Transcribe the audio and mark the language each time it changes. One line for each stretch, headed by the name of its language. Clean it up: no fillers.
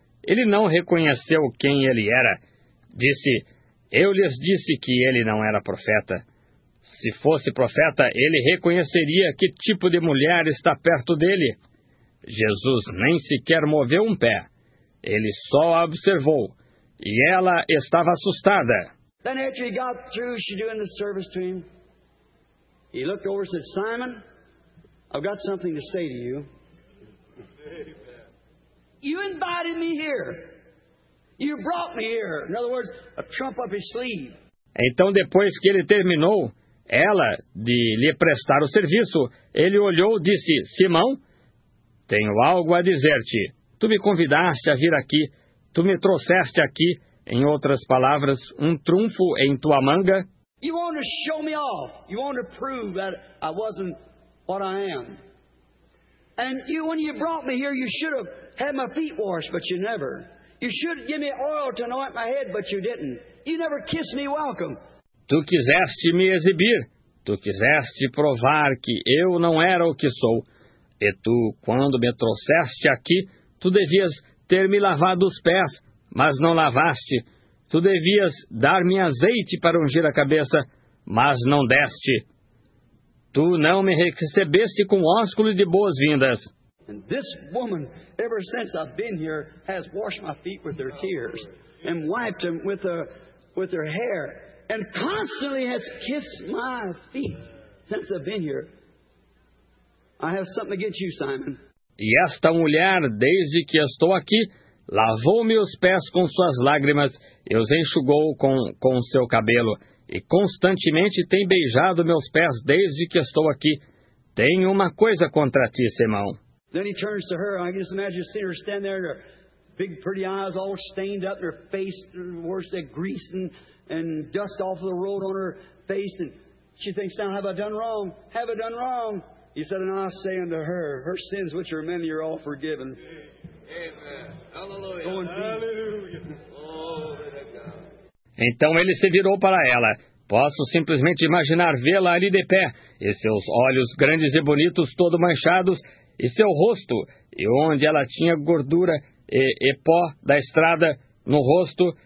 Portuguese: Ele não reconheceu quem ele era. Disse, eu lhes disse que ele não era profeta. Se fosse profeta, ele reconheceria que tipo de mulher está perto dele. Jesus nem sequer moveu um pé. Ele só a observou. E ela estava assustada.
English: Then after he got through, she doing the service to him. He looked over and said, Simon, I've got something to say to you. You invited me here. You brought me here. In other words, a trump up his sleeve.
Portuguese: Então, depois que ele terminou, ela, de lhe prestar o serviço, ele olhou e disse, Simão, tenho algo a dizer-te. Tu me convidaste a vir aqui. Tu me trouxeste aqui, em outras palavras, um trunfo em tua manga.
English: You want to show me off. You want to prove that I wasn't what I am. And you, when you brought me here, you should have had my feet washed, but you never. You should give me oil to anoint my head, but you didn't. You never kissed me welcome.
Portuguese: Tu quiseste me exibir. Tu quiseste provar que eu não era o que sou. E tu, quando me trouxeste aqui, tu devias ter me lavado os pés, mas não lavaste. Tu devias dar-me azeite para ungir a cabeça, mas não deste. Tu não me recebeste com ósculo de boas-vindas.
English: And this woman, ever since I've been here, has washed my feet with her tears and wiped them with her hair and constantly has kissed my feet since I've been here. I have something against you, Simon.
Portuguese: E esta mulher, desde que estou aqui, lavou-me os pés com suas lágrimas e os enxugou com seu cabelo e constantemente tem beijado meus pés desde que estou aqui. Tenho uma coisa contra ti, Simão.
English: Then he turns to her. I just imagine seeing her stand there, her big, pretty eyes all stained up, and her face, worse than grease and dust off of the road on her face. And she thinks, now, have I done wrong? Have I done wrong? He said, and I say unto her, her sins, which are many, are all forgiven. Amen. Hallelujah. Go in peace. Hallelujah. Glory to God.
Portuguese: Então ele se virou para ela. Posso simplesmente imaginar vê-la ali de pé, e seus olhos grandes e bonitos, todo manchados, e seu rosto, e onde ela tinha gordura e pó da estrada no rosto.